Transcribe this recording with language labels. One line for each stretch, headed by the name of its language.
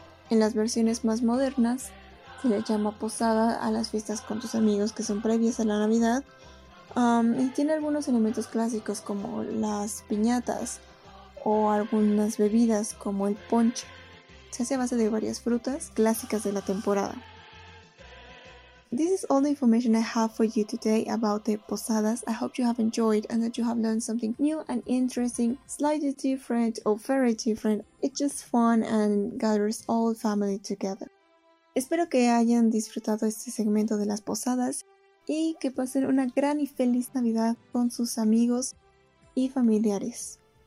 Spanish: En las versiones más modernas se le llama posada a las fiestas con tus amigos que son previas a la Navidad, y tiene algunos elementos clásicos como las piñatas o algunas bebidas como el ponche. Se hace a base de varias frutas clásicas de la temporada.
English: This is all the information I have for you today about the posadas. I hope you have enjoyed and that you have learned something new and interesting, slightly different or very different. It's just fun and gathers all family together.
Spanish: Espero que hayan disfrutado este segmento de las posadas y que pasen una gran y feliz Navidad con sus amigos y familiares.